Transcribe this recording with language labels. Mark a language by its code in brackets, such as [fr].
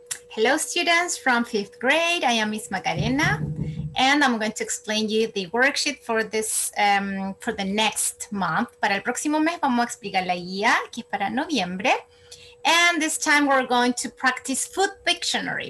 [en] Hello students from fifth grade, I am Miss Macarena, and I'm going to explain you the worksheet for this for the next month. [es] Para el próximo mes vamos a explicar la guía, que es para noviembre. [en] And this time we're going to practice food dictionary.